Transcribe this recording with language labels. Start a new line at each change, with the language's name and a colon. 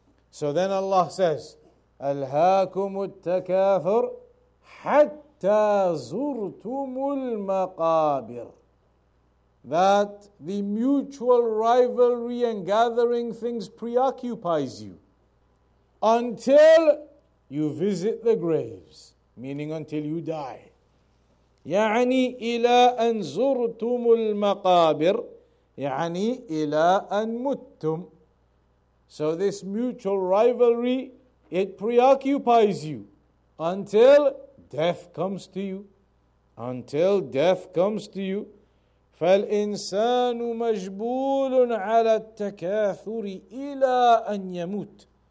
English: So then Allah says,
Arabic: أَلْهَاكُمُ التَّكَاثُرُ حَتَّى زُرْتُمُ الْمَقَابِرِ.
English: That the mutual rivalry and gathering things preoccupies you until you visit the graves, meaning until you die.
Arabic: يعني إلى أن زرتم المقابر يعني إلى أن متم.
English: So this mutual rivalry, it preoccupies you until death comes to you. Until death comes to you.
Arabic: فَالْإِنسَانُ مَجْبُولٌ عَلَى التَّكَاثُرِ إِلَىٰ أَنْ يَمُوتُ.